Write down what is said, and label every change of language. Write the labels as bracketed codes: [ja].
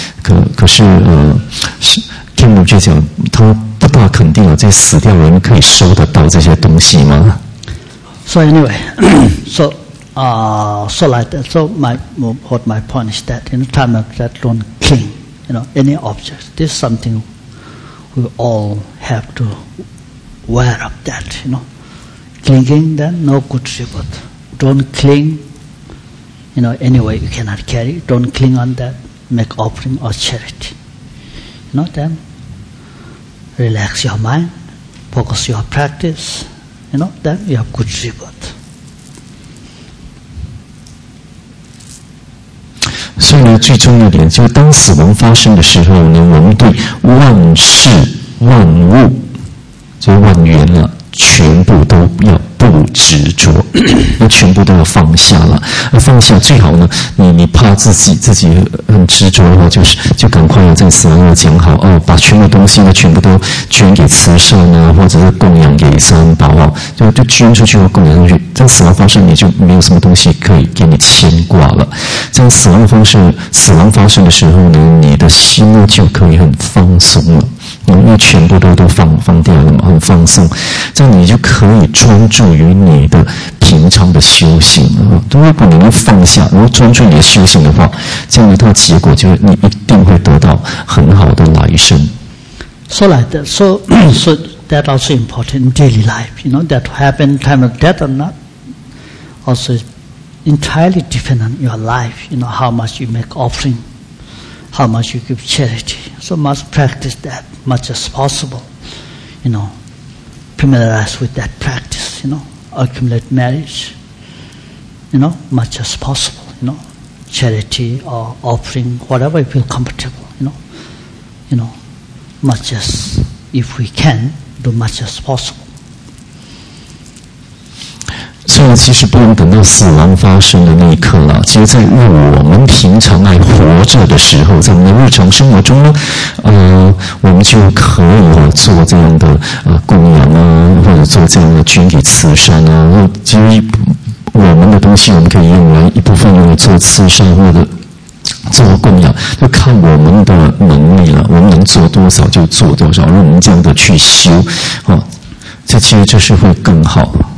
[zh] 可是是。听不就讲，他不大肯定了。这死掉人可以收得到这些东西吗 [en] ？So anyway, so so like that. So my point is that in the time of that don't cling, you know, any object. This is something we all have to wear of that. You know, clinging then no good result. Don't cling. You know, anyway you cannot carry. Don't cling on that. Make offering or charity. You know then. Relax your mind, focus your practice, you know, then you have good reward. [zh] So, 呢最重要的点就是当死亡发生的时候呢，我们对万事万物，就万缘了，全部都要不执着，那全部都要放下了。而放下最好呢，你怕自己很执着的话，就赶快在死亡要讲好哦，把全部东西呢全部都捐给慈善啊，或者是供养给三宝啊，就捐出去或供养出去。在死亡发生，你就没有什么东西可以给你牵挂了。在死亡发生的时候呢，你的心呢就可以很放松了。因为全部都放掉了嘛，很放松，这样你就可以专注于你的平常的修行啊。如果你能放下，然后专注你的修行的话，这样它结果就是你一定会得到很好的来生。 [en] So like that, so that also important in daily life. You know that happen time of death or not, also entirely dependent on your life. You know how much you make offering, how much you give charity. So must practice that. Much as possible, you know, familiarize with that practice, you know, accumulate marriage, you know, much as possible, you know, charity or offering, whatever you feel comfortable, you know, much as if we can, do much as possible. [zh] 虽然其实不能等到死亡发生的那一刻了，其实在我们平常来活着的时候，在我们的日常生活中呢，我们就可以做这样的供养啊，或者做这样的捐给慈善啊，其实我们的东西我们可以用来一部分用来做慈善或者做供养，就看我们的能力了，我们能做多少就做多少，让我们这样的去修啊，这其实就是会更好。